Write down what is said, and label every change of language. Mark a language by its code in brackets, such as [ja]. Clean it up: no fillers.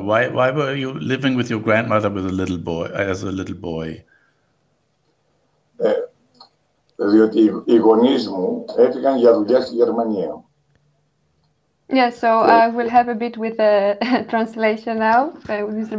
[en] Why were you living with your grandmother as a little boy? [el] Διότι οι γονείς μου έφυγαν για δουλειά στη Γερμανία. [en] Yeah, so I will help a bit with the translation now. Mr.